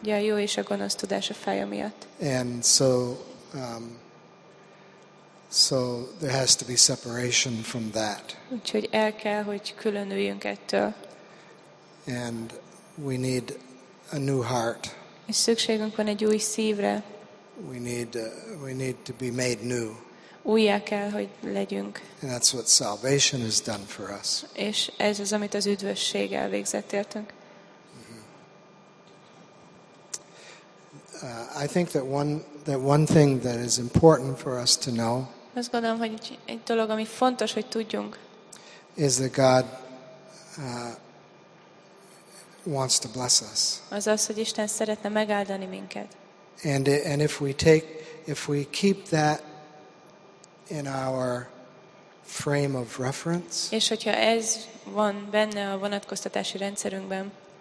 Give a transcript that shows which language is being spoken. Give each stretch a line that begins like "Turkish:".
Hungarian: Ja, jó és a gonosz tudása fája miatt.
English: And so so there has to be separation from that.
Hungarian: Úgyhogy el kell, hogy különüljünk ettől.
English: And we need a new heart.
Hungarian: És szükségünk van egy új szívre.
English: We need to be made new.
Hungarian: Újjá kell, hogy legyünk.
English: And that's what salvation has done for us.
Hungarian: És ez az, amit az üdvösség elvégzett értünk.
English: I think that one thing that is important for us to know.
Hungarian: Azt gondolom, hogy egy dolog, ami fontos, hogy tudjunk.
English: Is that God wants to bless us.
Hungarian: Az, hogy Isten szeretne megáldani minket.
English: And if we keep that in our frame of reference.
Hungarian: És hogyha ez van benne a vonatkoztatási rendszerünkben.